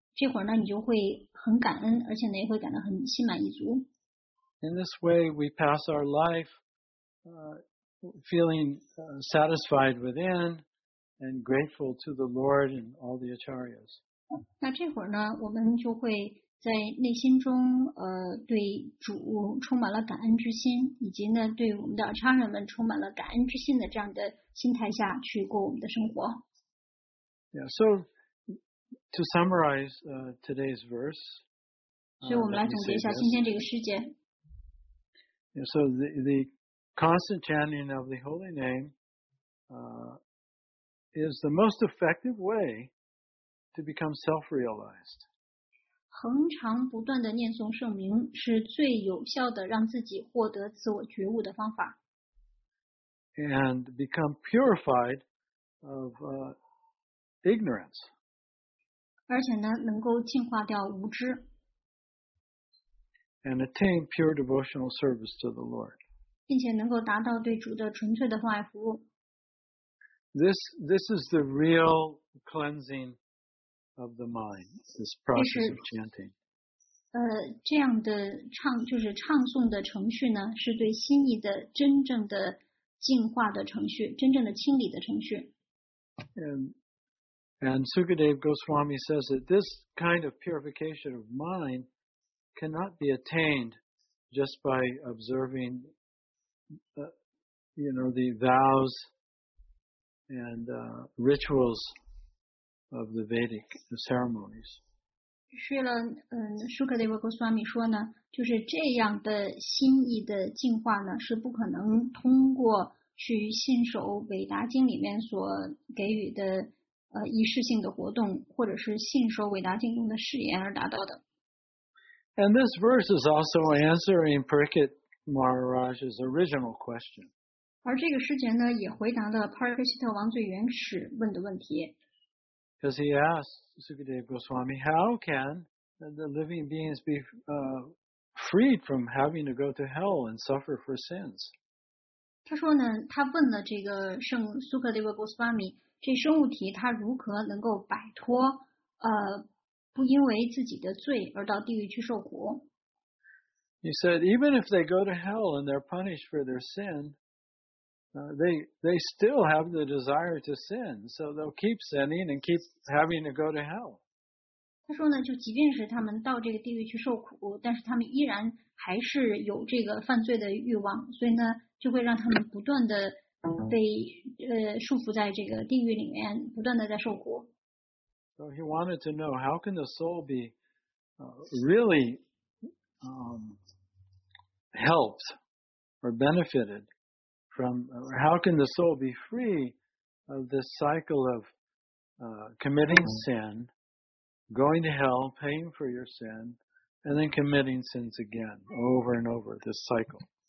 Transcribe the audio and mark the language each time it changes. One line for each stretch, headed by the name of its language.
Chinese: 这会儿呢，你就会很感恩，而且呢，也会感到很心满意足。
English: In this way, we pass our life, feeling satisfied within and grateful to the Lord and all the acharyas.
Chinese: 那这会儿呢，我们就会在内心中，对主充满了感恩之心，以及呢，对我们的acharya们充满了感恩之心的这样的心态下去过我们的生活。
English: Yeah, so to summarize today's verse.
Chinese: 所以我们来总结一下今天这个诗节。
English: Yeah, so the constant chanting of the holy name is the most effective way to become self-realized.
Chinese: 恒常不断的念诵圣名是最有效的让自己获得自我觉悟的方法。
English: And become purified of ignorance.
Chinese: 而且呢，能够净化掉无知。
English: And attain pure devotional service to the Lord.
Chinese: 并且能够达到对主的纯粹的奉爱服务。
English: This is the real cleansing of the mind. This process of chanting.
Chinese: 这样的唱就是唱诵的程序呢，是对心意的真正的净化的程序，真正的清理的程序。
English: And Sukadev Goswami says that this kind of purification of mind cannot be attained just by observing, the vows and rituals of the Vedic ceremonies.
Chinese: 是了，Sukadev Goswami 说呢，就是这样的心意的净化呢，是不可能通过去信守《韦达经》里面所给予的仪式性的活动，或者是信守伟大经中的誓言而达到的。
English: And this verse is also answering Parikshit Maharaj's original question.
Chinese: 而这个诗节呢，也回答了 Parikshit 王最原始问的问题。
English: Because he asked Sukadeva Goswami, how can the living beings be freed from having to go to hell and suffer for sins?
Chinese: 他说呢，他问了这个圣 Sukadeva Goswami。这生物体它如何能够摆脱不因为自己的罪而到地狱去受苦。
English: He said, even if they go to hell and they're punished for their sin, they still have the desire to sin. So they'll keep sinning and keep having to go to hell.
Chinese: 他说呢, 就即便是他们到这个地狱去受苦, 但是他们依然还是有这个犯罪的欲望, 所以呢, 就会让他们不断地被, 束缚在这个地狱里面, 不断地在受苦。
English: So he wanted to know, how can the soul be really helped or benefited from, or how can the soul be free of this cycle of committing sin, going to hell, paying for your sin, and then committing sins again, over and over, this cycle.